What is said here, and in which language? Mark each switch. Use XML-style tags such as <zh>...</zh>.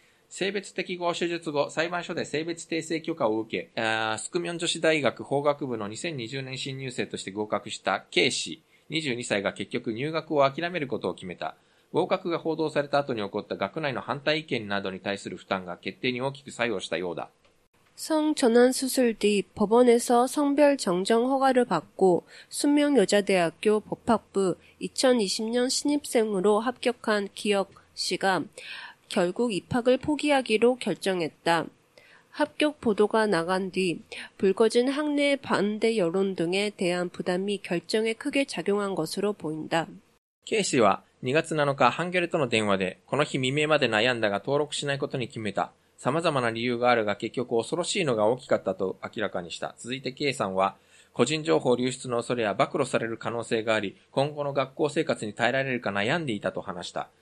<ja>性別適合手術後、裁判所で性別訂正許可を受け、スクミョン女子大学法学部の2020年新入生として合格したKC、22歳が結局入学を諦めることを決めた。合格が報道された後に起こった学内の反対意見などに対する負担が決定に大きく作用したようだ。</ja> <ko>성 전환 수술 뒤 법원에서 성별 정정 허가를 받고 순명여자대학교 법학부 2020년 신입생으로 합격한 기혁 씨가 결국 입학을 포기하기로 결정했다. 합격 보도가 나간 뒤 불거진 학내 반대 여론 등에 대한 부담이 결정에 크게 작용한 것으로 보인다.</ko> <ja>K</ja> <ko>씨와</ko> <ja>2月7日、ハンギョレとの電話で、この日未明まで悩んだが登録しないことに決めた。様々な理由があるが結局恐ろしいのが大きかったと明らかにした。続いて K さんは、個人情報流出の恐れや暴露される可能性があり、今後の学校生活に耐えられるか悩んでいたと話した。</ja>